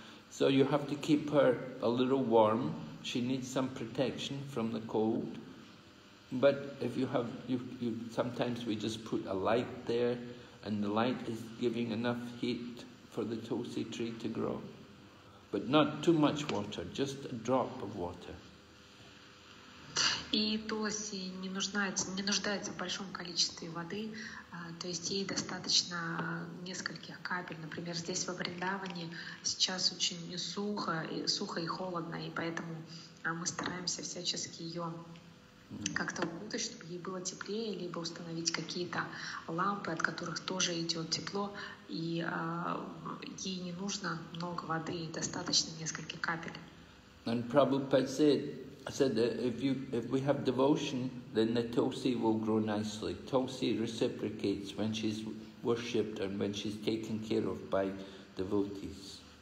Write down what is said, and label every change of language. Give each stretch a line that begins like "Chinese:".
English: So you have to keep her a little warm. She needs some protection from the cold. But if you have, you sometimes we just put a light there, and the light is giving enough heat for the tulsi tree to grow. But not too much water, just a drop of water.
Russian: И туласи не нуждается в большом количестве воды, то есть ей достаточно нескольких капель. Например, здесь во Вриндаване сейчас очень сухо и холодно, и поэтому мы стараемся всячески ее как-то укутать, чтобы ей было теплее, либо установить какие-то лампы, от которых тоже идет тепло, и ей не нужно много воды, достаточно нескольких капель.
English: And Prabhupada said that if we have devotion, then the tulsi will grow nicely. Tulsi reciprocates when she's worshipped and when she's taken care of by devotees.